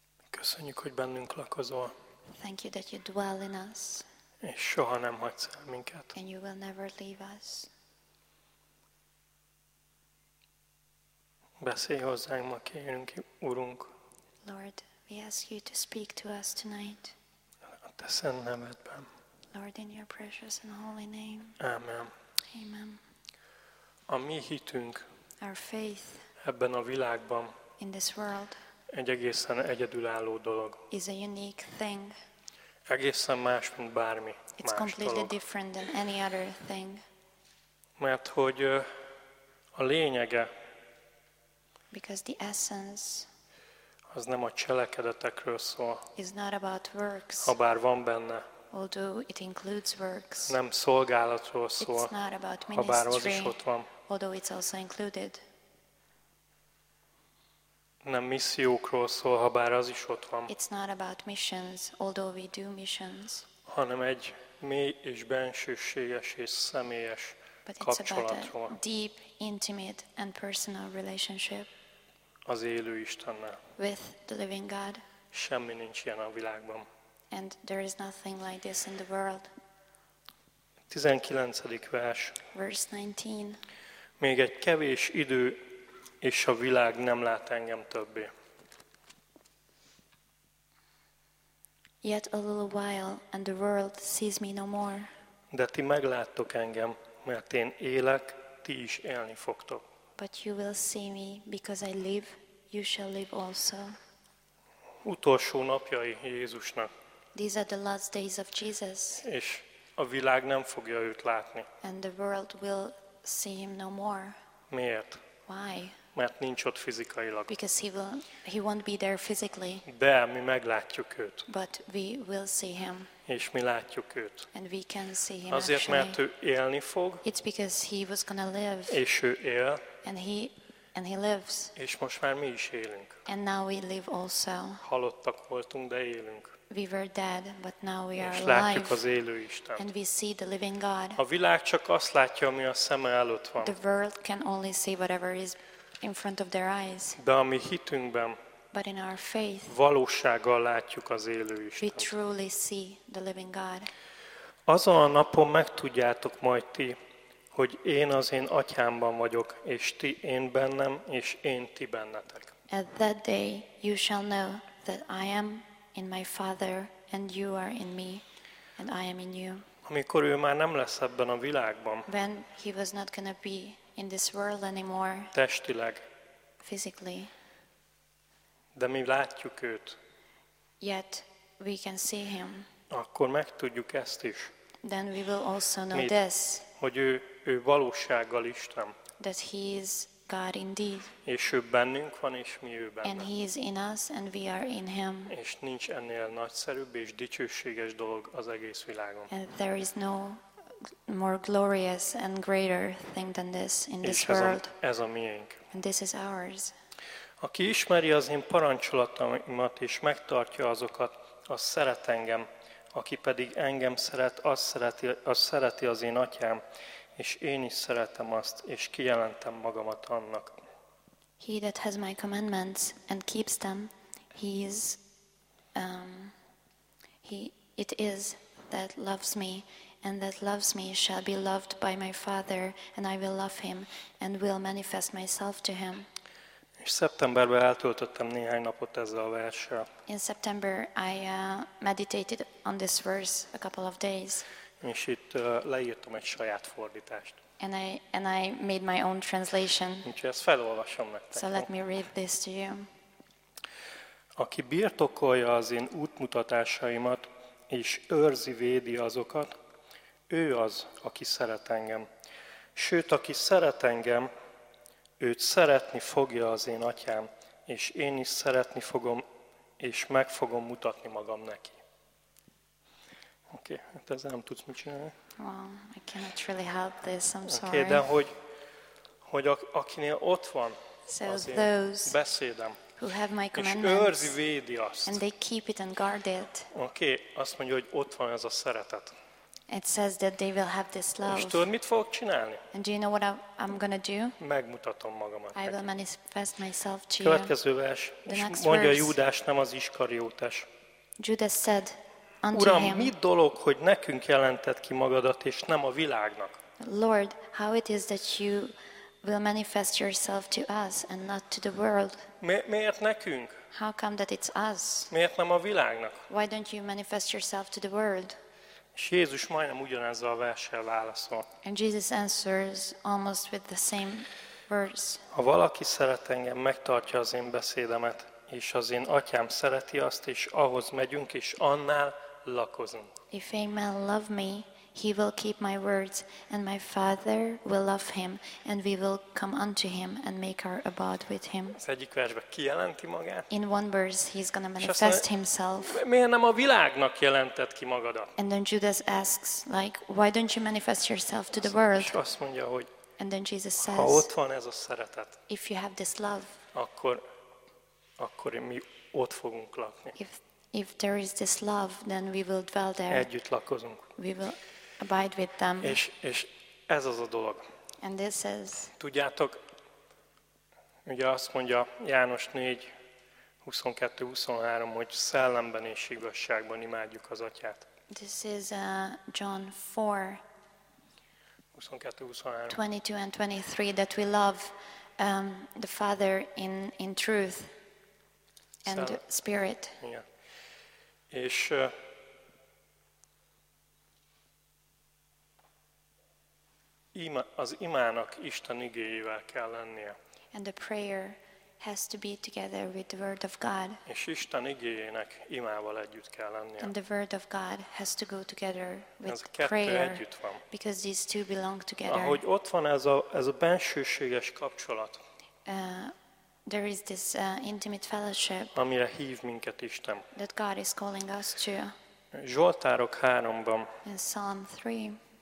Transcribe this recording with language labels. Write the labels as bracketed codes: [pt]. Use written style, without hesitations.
[hu] Köszönjük, hogy bennünk lakozol. [en] Thank you that you dwell in us. [hu] És soha nem hagysz el minket. [en] And you will never leave us. [hu] Beszélj hozzánk ma, kérünk, Urunk. [en] Lord, we ask you to speak to us tonight. [hu] Te szent nevedben. [en] Lord, in your precious and holy name. [hu] Amen. [en] Amen. [hu] A mi hitünk. [en] Our faith. [hu] Ebben a világban. [en] In this world. [hu] Egy egészen egyedülálló dolog. [en] Is a unique thing. [hu] Egészen más, mint bármi más dolog. [en] It's completely different than any other thing. [hu] Mert hogy a lényege. [en] Because the essence. [hu] Az nem a cselekedetekről szól. [en] It's not about works. [hu] Habár van benne. [en] Although it includes works. [hu] Nem szolgálatról szól. [en] It's not about ministry. [hu] Habár az is ott van. [en] Although it's also included. [hu] Nem missziókról szól, habár az is ott van. [en] It's not about missions, although we do missions. [hu] Hanem egy mély és bensőséges és személyes kapcsolatról. [en] But it's about a deep, intimate and personal relationship. [hu] Az élő Istennel. [en] With the living God. [hu] Semmi nincs ilyen a világban. [en] And there is nothing like this in the world. [hu] 19. vers. [en] Verse 19. [hu] Még egy kevés idő, és a világ nem lát engem többé. [en] Yet a little while, and the world sees me no more. [hu] De ti megláttok engem, mert én élek, ti is élni fogtok. [en] But you will see me because I live, you shall live also. [hu] Utolsó napjai Jézusnak. [en] These are the last days of Jesus. [hu] És a világ nem fogja őt látni. [en] And the world will see him no more. [hu] Miért? [en] Why? [hu] Mert nincs ott fizikailag. [en] Because he won't be there physically. [hu] De mi meglátjuk őt. [en] But we will see him. [hu] És mi látjuk őt. [en] And we can see him. [hu] Azért, [en] actually. [hu] Mert ő élni fog. [en] It's because he was gonna live. [hu] És ő él. [en] And he lives. [hu] És most már mi is élünk. [en] And now we live also. [hu] Halottak voltunk, de élünk. [en] We were dead, but now we are alive. [hu] És látjuk az élő Istent. [en] And we see the living God. [hu] A világ csak azt látja, ami a szeme előtt van. [en] The world can only see whatever is in front of their eyes. [hu] De a mi hitünkben. [en] But in our faith. [hu] Valósággal látjuk az élő Istent. [en] We truly see the living God. [hu] Azon a napon megtudjátok majd ti, hogy én az én atyámban vagyok, és ti én bennem, és én ti bennetek. [en] At that day you shall know that I am in my Father, and you are in me, and I am in you. [hu] Amikor ő már nem lesz ebben a világban. [en] When he was not gonna be in this world anymore. [hu] Testileg. [en] Physically. [hu] De mi látjuk őt. [en] Yet we can see him. [hu] Akkor megtudjuk ezt is. [en] Then we will also know this. [hu] Hogy ő valósággal Isten. [en] That he is God indeed. [hu] És ő bennünk van, és mi ő benne. [en] And he is in us, and we are in him. [hu] És nincs ennél nagyszerűbb és dicsőséges dolog az egész világon. [en] And there is no more glorious and greater thing than this in this world. [hu] Ez a miénk. [en] And this is ours. [hu] Aki ismeri az én parancsolataimat és megtartja azokat, az szeret engem. Aki pedig engem szeret, az szereti az én atyám, és én is szeretem azt, és kijelentem magamat annak. [en] He that has my commandments and keeps them, it is that loves me, and that loves me shall be loved by my Father, and I will love him, and will manifest myself to him. [hu] És szeptemberben eltöltöttem néhány napot ezzel a verssel. [en] In September I meditated on this verse a couple of days. [hu] És itt leírtam egy saját fordítást. [en] And I made my own translation. [hu] Úgyhogy ezt felolvasom nektek. [en] So let me read this to you. [hu] Aki birtokolja az én útmutatásaimat, és őrzi, védi azokat, Ő az, aki szeret engem. Sőt, aki szeret engem, őt szeretni fogja az én atyám, és én is szeretni fogom, és meg fogom mutatni magam neki. Oké, hát ezzel nem tudsz mit csinálni. [en] Wow, I cannot really help this, I'm sorry. [hu] Oké, de hogy akinél ott van az én beszédem, [en] who have my commandments, [hu] és őrzi, védi azt. [en] And they keep it and guard it. [hu] Oké, azt mondja, hogy ott van ez a szeretet. [en] It says that they will have this love. [hu] És tudod, mit fogok csinálni? [en] And do you know what I'm gonna do? [hu] Megmutatom magamat. [en] I will manifest myself to you. [hu] Következő vers. És mondja Júdás, nem az Iskariótes. [en] Judas said unto [hu] Uram, [en] him, [hu] mit dolog, hogy nekünk jelentett ki magadat, és nem a világnak? [en] Lord, how it is that you will manifest yourself to us and not to the world? [hu] Miért nekünk? [en] How come that it's us? [hu] Miért nem a világnak? [en] Why don't you manifest yourself to the world? [hu] És Jézus majdnem ugyanezzel a verssel válaszol. [en] And Jesus answers almost with the same words. [hu] Ha valaki szeret engem, megtartja az én beszédemet, és az én atyám szereti azt, és ahhoz megyünk, és annál lakozunk. [en] If a man love me, he will keep my words, and my father will love him, and we will come unto him, and make our abode with him. [hu] Az egyik versben kijelenti magát. [en] In one verse, he's gonna manifest himself. [hu] Miért nem a világnak jelentett ki magadat? [en] And then Judas asks, like, why don't you manifest yourself to the world? [hu] És azt mondja, hogy [en] and then Jesus says, [hu] ha ott van ez a szeretet, [en] if you have this love, [hu] akkor mi ott fogunk lakni. [en] If there is this love, then we will dwell there. [hu] Együtt lakozunk. [en] We will abide with them. [hu] És ez az a dolog. [en] And this is. [hu] Tudjátok, ugye azt mondja János 4:22-23, hogy szellemben és igazságban imádjuk az atyát. [en] This is John 4. 22-23. 22 and 23 that we love the Father in truth and spirit. [hu] Igen. És az imának Isten igéjével kell lennie. [en] And the prayer has to be together with the word of God. [hu] És Isten igéjének imával együtt kell lennie. [en] And the word of God has to go together with prayer. [hu] Együtt van. [en] Because these two belong together. [hu] Ahogy ott van ez a bensőséges kapcsolat. [en] There is this intimate fellowship. [hu] Amire hív minket Isten. [en] That God is calling us to. [hu] Zsoltárok 3-ban. [en] In Psalm 3.